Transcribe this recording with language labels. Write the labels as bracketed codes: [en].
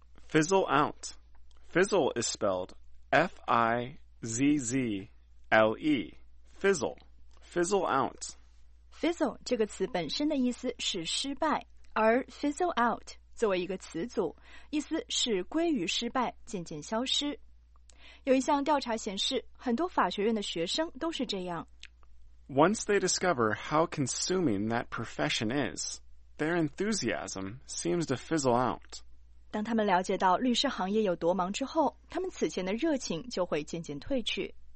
[en] Fizzle out. Fizzle is spelled FIZZLE, fizzle, fizzle out. [zh] Fizzle 这个词本身的意思是失败，而 fizzle out 作为一个词组，意思是归于失败，渐渐消失。有一项调查显示，很多法学院的学生都是这样。 [en] Once they discover how consuming that profession is, their enthusiasm seems to fizzle out. [zh] 当他们了解到律师行业有多忙之后，他们此前的热情就会渐渐褪去。